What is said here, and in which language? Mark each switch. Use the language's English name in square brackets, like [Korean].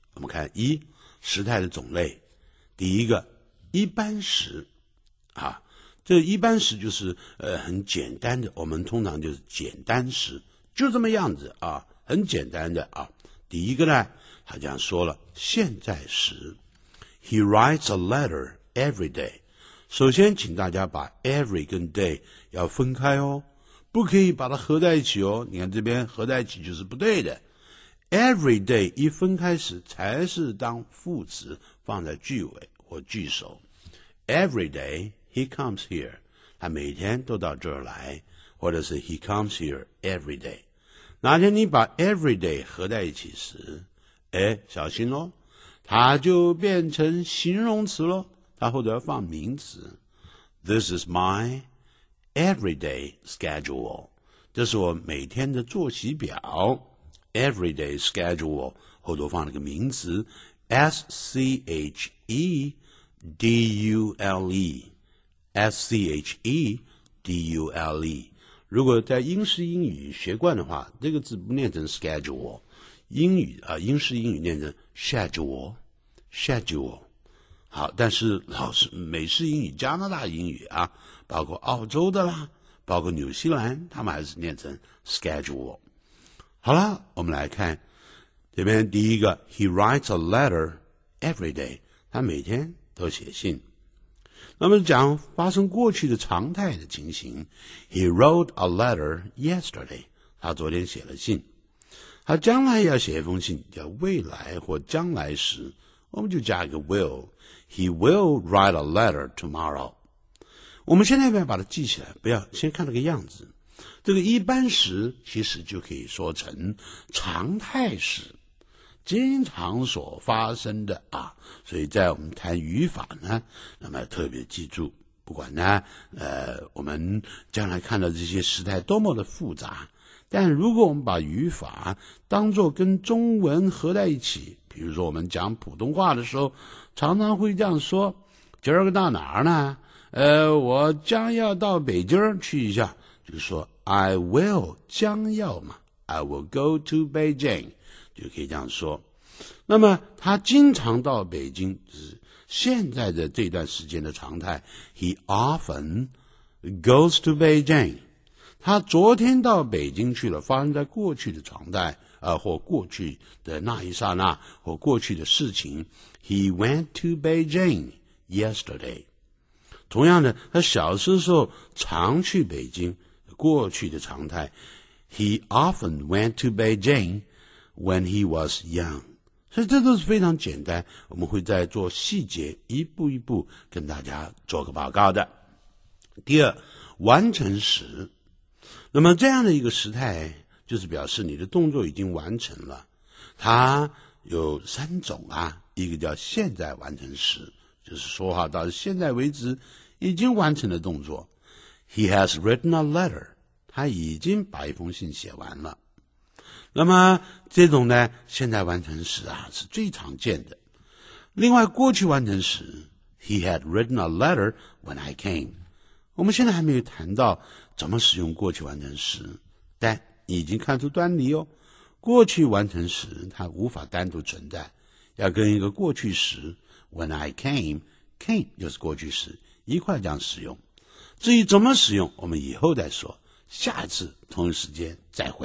[Chinese] 我们看一时态的种类，第一个一般时啊，这一般时就是很简单的，我们通常就是简单时，就这么样子啊，很简单的啊。第一个呢他这样说了，现在时， [English] He writes a letter every day. [Chinese] 首先请大家把 every 跟 day 要分开哦，不可以把它合在一起哦。你看这边合在一起就是不对的。Every day 一分开时才是当副词放在句尾或句首。 [English] Every day he comes here. [Chinese] 他每天都到这儿来，或者是 [English] he comes here every day. [Chinese] 哪天你把 every day 合在一起时，哎，小心咯，它就变成形容词咯，它后头要放名词。 [English] This is my everyday schedule. [Chinese] 这是我每天的作息表。 Everyday schedule 后头放了个名词 SCHEDULE SCHEDULE 如果在英式英语学惯的话，这个字不念成 schedule 英语啊，英式英语念成 schedule schedule 好，但是老师美式英语加拿大英语啊，包括澳洲的啦，包括纽西兰，他们还是念成 schedule。好啦，我们来看这边第一个 [English] He writes a letter every day. [Chinese] 他每天都写信。那么讲发生过去的常态的情形， [English] He wrote a letter yesterday. [Chinese] 他昨天写了信。他将来要写一封信叫未来或将来时，我们就加一个 will. [English] He will write a letter tomorrow. [Chinese] 我们现在不要把它记起来，不要先看这个样子。这个一般时其实就可以说成常态时，经常所发生的啊。所以在我们谈语法呢，那么特别记住，不管呢我们将来看到这些时态多么的复杂，但如果我们把语法当作跟中文合在一起，比如说我们讲普通话的时候常常会这样说，今儿个到哪儿呢，我将要到北京去一下，就说 I will 将要嘛， [English] I will go to Beijing [Chinese] 就可以这样说。那么他经常到北京，就是现在的这段时间的常态， [English] He often goes to Beijing。 [Chinese] 他昨天到北京去了，发生在过去的常态或过去的那一刹那或过去的事情， [English] He went to Beijing yesterday。 [Chinese] 同样的，他小时候常去北京，过去的常态， [English] He often went to Beijing when he was young. [Chinese] 所以这都是非常简单，我们会在做细节一步一步跟大家做个报告的。第二，完成时。那么这样的一个时态就是表示你的动作已经完成了。它有三种啊，一个叫现在完成时，就是说话到现在为止已经完成的动作。 [English] He has written a letter. [Chinese] 他已经把一封信写完了。那么这种呢，现在完成时啊是最常见的。另外过去完成时， [English] He had written a letter when I came. [Chinese] 我们现在还没有谈到怎么使用过去完成时，但你已经看出端倪哦。过去完成时它无法单独存在，要跟一个过去时 [English] when I came, [Chinese] came 就是过去时一块这样使用。至于怎么使用，我们以后再说，下次同一时间再会。